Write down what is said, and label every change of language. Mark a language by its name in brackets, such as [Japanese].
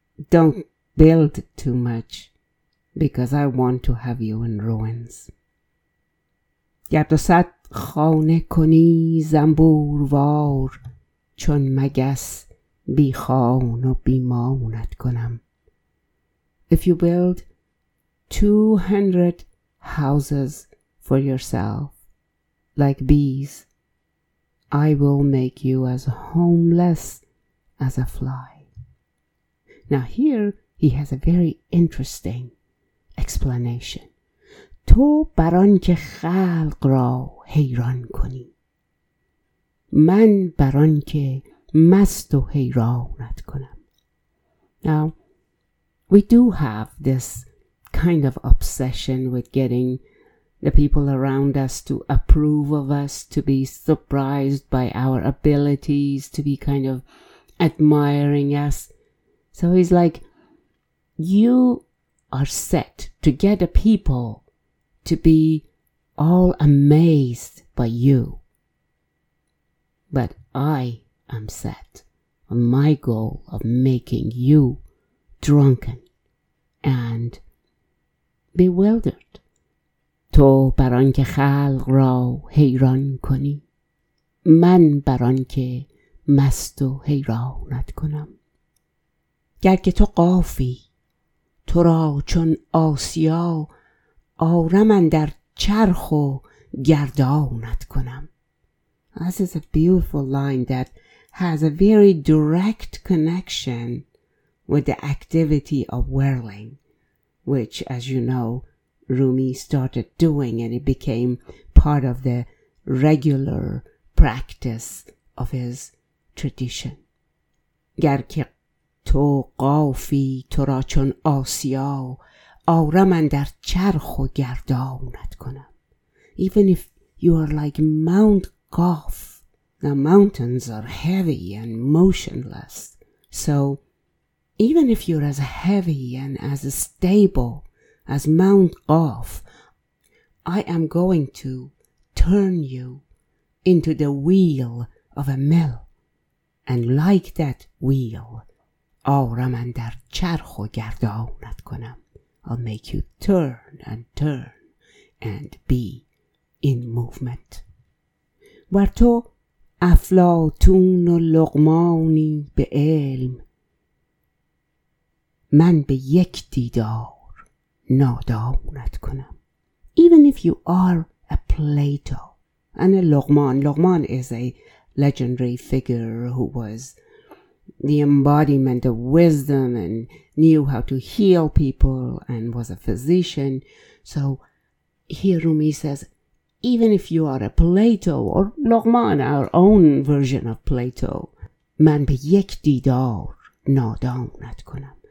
[English] Don't build too much, because I want to have you in ruins. [Persian] گرد و صد خانه کنی زنبوروار چون مگس بی خان و بی مانت کنم. [English] If you build 200 houses for yourself like bees, I will make you as homeless as a fly. Now here, he has a very interesting explanation. [Persian] تو بران که خلق را حیران کنی. من بران که مست و حیرانت کنم. [English] Now, we do have this kind of obsession with getting the people around us to approve of us, to be surprised by our abilities, to be kind of admiring us. So he's like, you are set to get the people to be all amazed by you. But I am set on my goal of making you drunken and bewildered. [Persian] تو بران که خلق را حیران کنی. من بران که مست و حیرانت کنم. گر که تو قافی تو را چون آسیا آرم اندر چرخ و گردانت کنم. [English] This is a beautiful line that has a very direct connection with the activity of whirling, which, as you know, Rumi started doing, and it became part of the regular practice of his tradition. [Persian] گر که تو قافی تو را چون آسیا آرم اندر چرخ و گردانت کنم. [English] Even if you are like Mount Qaf, the mountains are heavy and motionless. So even if you're as heavy and as stable as Mount Qaf, I am going to turn you into the wheel of a mill. And like that wheel, [Persian] آرم اندر چرخ و گردانت کنم. [English] I'll make you turn and turn and be in movement. [Persian] ور تو افلاطون و لقمانی به علم، من به یک دیدار نادانت کنم. [English] Even if you are a Plato and a Lugman. Lugman is a legendary figure who was the embodiment of wisdom and knew how to heal people and was a physician. So here Rumi says, even if you are a Plato or Lugman, our own version of Plato, [Persian] من به یک دیدار نادانت کنم.